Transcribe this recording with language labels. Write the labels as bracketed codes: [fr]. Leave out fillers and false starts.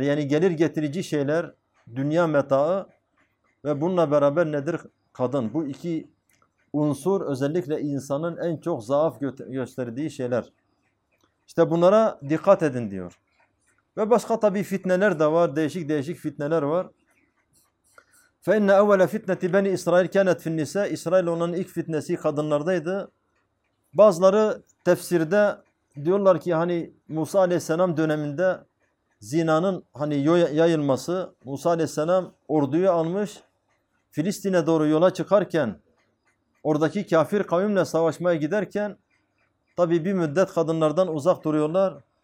[tr] Yani gelir getirici şeyler, dünya meta'ı ve bununla beraber nedir? Kadın. Bu iki unsur özellikle insanın en çok zaaf gösterdiği şeyler. İşte bunlara dikkat edin diyor. Ve başka tabii fitneler de var, değişik değişik fitneler var. [ar] فَاِنَّ اَوَّلَ فِتْنَةِ بَنِ اِسْرَائِلْ كَانَتْ فِي النِّسَاءِ, [tr] İsrail onun ilk fitnesi kadınlardaydı. Bazıları tefsirde diyorlar ki hani Musa aleyhisselam döneminde zinanın hani yayılması, Musa aleyhisselam orduyu almış, Filistin'e doğru yola çıkarken, oradaki kafir kavimle savaşmaya giderken, tabii bir müddet kadınlardan uzak duruyorlar.